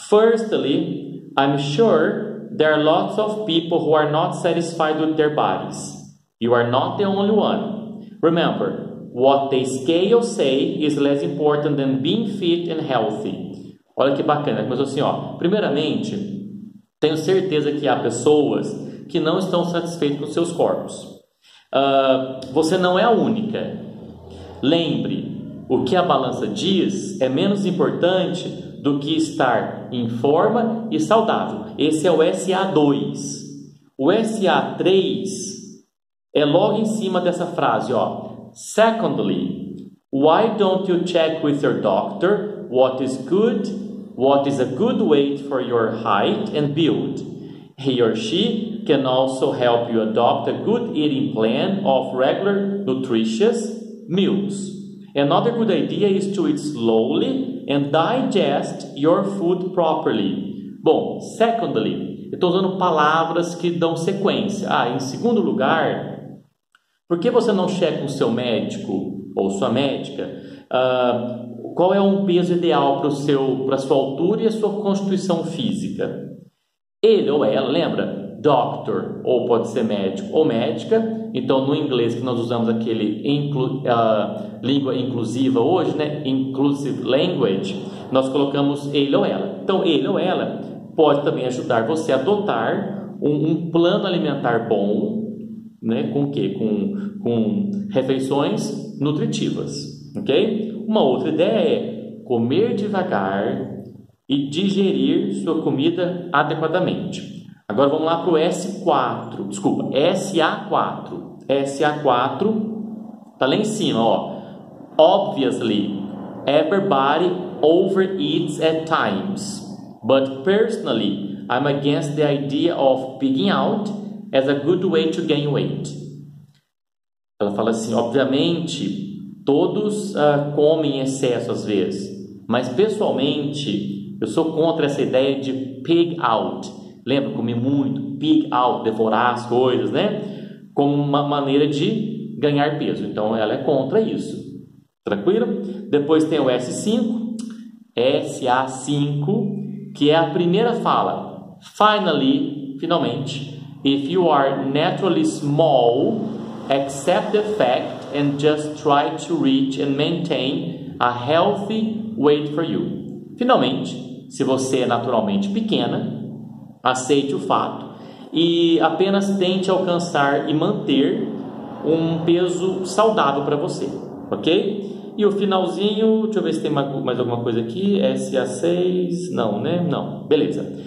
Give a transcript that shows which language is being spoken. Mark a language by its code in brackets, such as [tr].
[en] Firstly, I'm sure there are lots of people who are not satisfied with their bodies. You are not the only one. Remember, what the scale say is less important than being fit and healthy. [pt] Olha que bacana, mas assim, ó. Primeiramente, tenho certeza que há pessoas que não estão satisfeitas com seus corpos. Você não é a única. Lembre, o que a balança diz é menos importante do que estar em forma e saudável. Esse é o SA2. O SA3 é logo em cima dessa frase, ó. [en] Secondly, why don't you check with your doctor what is a good weight for your height and build? He or she can also help you adopt a good eating plan of regular nutritious meals. Another good idea is to eat slowly and digest your food properly. [pt] Bom, secondly, eu estou usando palavras que dão sequência. Ah, em segundo lugar, por que você não checa com seu médico ou sua médica, qual é um peso ideal para a sua altura e a sua constituição física? Ele ou ela, lembra? Doctor, ou pode ser médico ou médica. Então, no inglês que nós usamos aquele língua inclusiva hoje, né? [en] Inclusive language, [pt] nós colocamos ele ou ela. Então, ele ou ela pode também ajudar você a adotar um plano alimentar bom, né? Com o quê? Com refeições nutritivas, ok? Uma outra ideia é comer devagar e digerir sua comida adequadamente. Agora vamos lá para o S4, desculpa, SA4. SA4 tá lá em cima, ó. [en] Obviously, everybody overeats at times, but personally, I'm against the idea of pigging out as a good way to gain weight. [pt] Ela fala assim: obviamente, todos comem em excesso às vezes, mas pessoalmente, eu sou contra essa ideia de [en] pig out. [pt] Lembra? Comer muito, [en] pig out, [pt] devorar as coisas, né? Como uma maneira de ganhar peso. Então ela é contra isso. Tranquilo? Depois tem o S5, SA5, que é a primeira fala. [en] Finally, finalmente, if you are naturally small, accept the fact and just try to reach and maintain a healthy weight for you. [pt] Finalmente, se você é naturalmente pequena, aceite o fato. E apenas tente alcançar e manter um peso saudável para você, ok? E o finalzinho, deixa eu ver se tem mais alguma coisa aqui. SA6, não, né? Não. Beleza.